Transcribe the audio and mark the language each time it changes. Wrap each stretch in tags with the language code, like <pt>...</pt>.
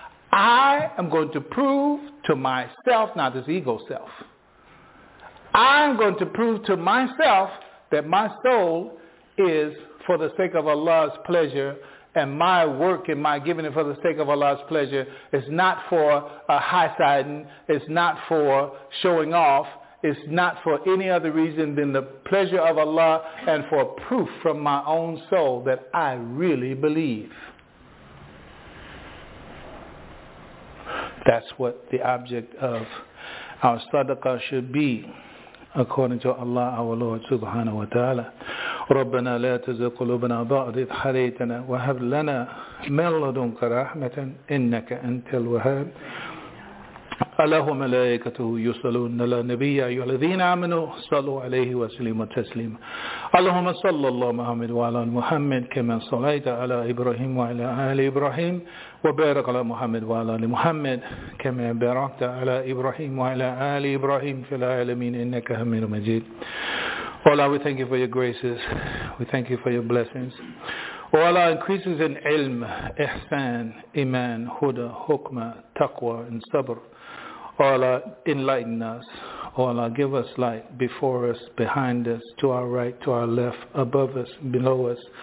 <en>I am going to prove to myself, not this ego self, I'm going to prove to myself that my soul is for the sake of Allah's pleasure, and my work and my giving it for the sake of Allah's pleasure is not for a high siding, it's not for showing off, it's not for any other reason than the pleasure of Allah and for proof from my own soul that I really believe. That's what the object of our sadaqah should be, according to Allah, our Lord subhanahu wa ta'ala.</en> <ar>ربنا لا تزغ قلوبنا بعد إذ هديتنا وهب لنا من لدنك رحمة إنك أنت الوهاب. له ملائكته يصلون على النبي يا أيها الذين آمنوا صلوا عليه وسلموا تسليما اللهم صل الله محمد وعلى محمد كما صليت على إبراهيم وعلى آل إبراهيم وبارك على محمد وعلى آل محمد كما باركت على إبراهيم وعلى آل إبراهيم في العالمين إنك حميد مجيد.</ar> <en>Oh Allah, we thank you for your graces. We thank you for your blessings. Oh Allah, increases in ilm, ihsan, iman, huda, hukma, taqwa, and sabr. Oh Allah, enlighten us. Oh Allah, give us light before us, behind us, to our right, to our left, above us, below us.</en>